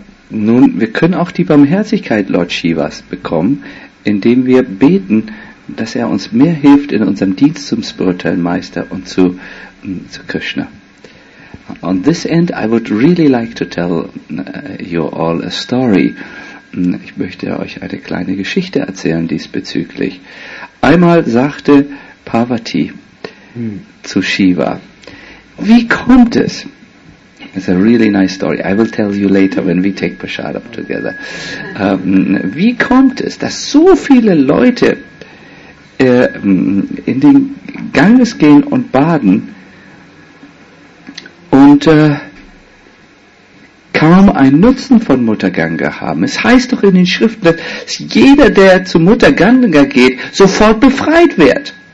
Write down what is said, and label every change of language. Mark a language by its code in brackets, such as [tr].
[de] Nun, wir können auch die Barmherzigkeit Lord Shivas bekommen, indem wir beten, dass er uns mehr hilft in unserem Dienst zum spirituellen Meister und zu Krishna. [en] On this end, I would really like to tell you all a story. [de] Ich möchte euch eine kleine Geschichte erzählen diesbezüglich. Einmal sagte Parvati zu Shiva, wie kommt es? [en] It's a really nice story. I will tell you later when we take Prasadam together. [de] Wie kommt es, dass so viele Leute in den Ganges gehen und baden und kaum einen Nutzen von Mutter Ganga haben. Es heißt doch in den Schriften, dass jeder, der zu Mutter Ganga geht, sofort befreit wird.